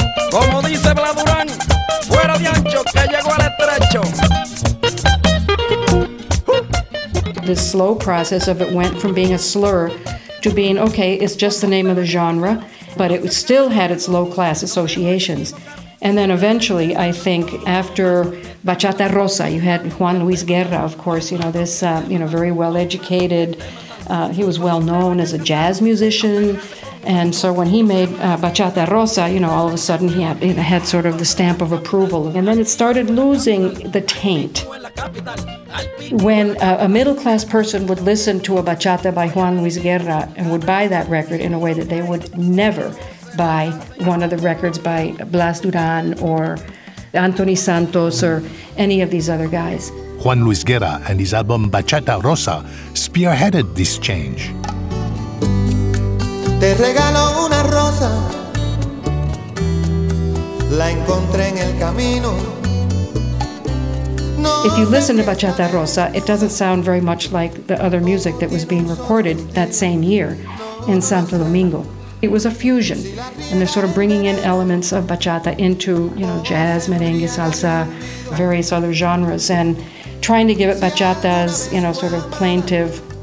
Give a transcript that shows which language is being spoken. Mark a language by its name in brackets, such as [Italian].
[Spanish] Como dice Blas Durán, fuera de ancho que llegó al estrecho. [English] The slow process of it went from being a slur to being, okay, it's just the name of the genre, but it still had its low-class associations. And then eventually, I think, after Bachata Rosa, you had Juan Luis Guerra, of course, you know, this, you know, very well-educated. He was well-known as a jazz musician. And so when he made Bachata Rosa, you know, all of a sudden he had sort of the stamp of approval. And then it started losing the taint. When a middle-class person would listen to a bachata by Juan Luis Guerra and would buy that record in a way that they would never buy one of the records by Blas Duran or Anthony Santos or any of these other guys. Juan Luis Guerra and his album Bachata Rosa spearheaded this change. [Spanish] Te regalo una rosa, la encontré en el camino. [English] If you listen to Bachata Rosa, it doesn't sound very much like the other music that was being recorded that same year in Santo Domingo. It was a fusion, and they're sort of bringing in elements of bachata into, you know, jazz, merengue, salsa, various other genres, and trying to give it bachata's, you know, sort of plaintive.